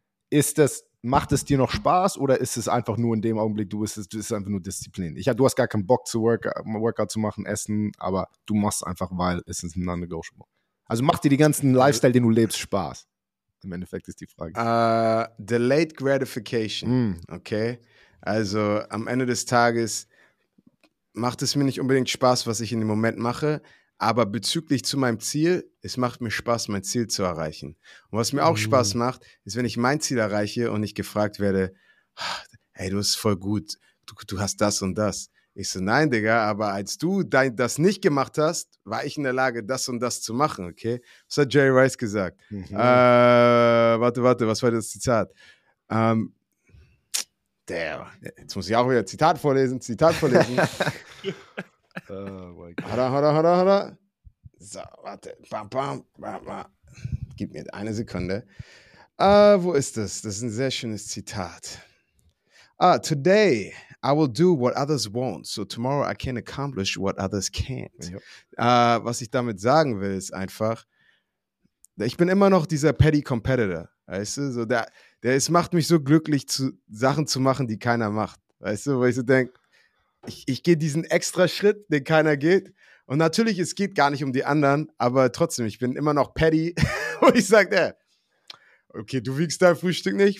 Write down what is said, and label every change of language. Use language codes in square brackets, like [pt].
[de] Ist das, macht es dir noch Spaß oder ist es einfach nur in dem Augenblick, du bist einfach nur Disziplin? Du hast gar keinen Bock, Workout zu machen, essen, aber du machst einfach, weil es ist ein non-negotiable. Also macht dir die ganzen Lifestyle, den du lebst, Spaß? Im Endeffekt ist die Frage. [en] Delayed gratification, okay? [de] Also am Ende des Tages macht es mir nicht unbedingt Spaß, was ich in dem Moment mache, aber bezüglich zu meinem Ziel, es macht mir Spaß, mein Ziel zu erreichen. Und was mir auch Spaß macht, ist, wenn ich mein Ziel erreiche und ich gefragt werde, hey, du bist voll gut, du hast das und das. Ich so, nein, Digga, aber als du das nicht gemacht hast, war ich in der Lage, das und das zu machen, okay? Was hat Jerry Rice gesagt? Mhm. Warte, was war das Zitat? Jetzt muss ich auch wieder Zitat vorlesen. Hada. So, warte. Bam. Gib mir eine Sekunde. Wo ist das? Das ist ein sehr schönes Zitat. [en] Today I will do what others won't, so tomorrow I can accomplish what others can't. Yep. [de] Was ich damit sagen will, ist einfach, ich bin immer noch dieser petty competitor, weißt du? So es macht mich so glücklich, Sachen zu machen, die keiner macht, weißt du? Weil ich so denke, ich gehe diesen extra Schritt, den keiner geht. Und natürlich, es geht gar nicht um die anderen, aber trotzdem, ich bin immer noch petty, wo ich sage, okay, du wiegst dein Frühstück nicht?